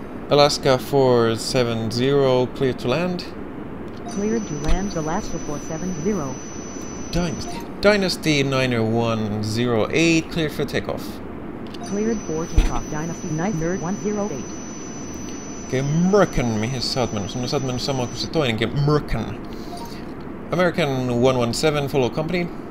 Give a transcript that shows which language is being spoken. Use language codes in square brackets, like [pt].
[en] Alaska 470, clear to land. Cleared to land, Alaska 470. Dynasty Niner 108, clear for takeoff. Cleared for takeoff, Dynasty Niner 108. [fi] Okay, Merkan, mihin sä oot menossa? No sä oot menossa samaan kuin se toinenkin, Merkan. [en] American 117, follow company.